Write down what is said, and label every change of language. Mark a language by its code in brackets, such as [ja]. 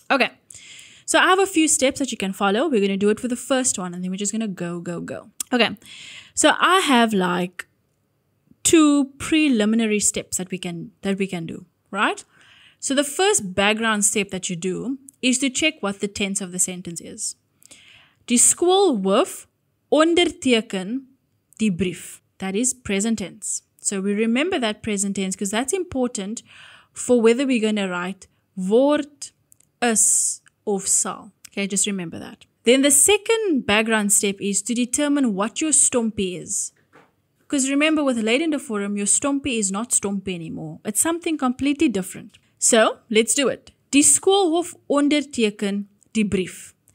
[en] Okay, so I have a few steps that you can follow. We're going to do it for the first one, and then we're just going to go. Okay, so I have like two preliminary steps that we can do, right? So the first background step that you do is to check what the tense of the sentence is. [af] Die skool wif onderteken die brief. [en] That is present tense. So we remember that present tense because that's important for whether we're going to write word, is, of sal. Okay, just remember that. Then the second background step is to determine what your stompie is. Because remember with Lydende forum, your stompie is not stompie anymore. It's something completely different. So let's do it. [af] Die skool wif onderteken die brief.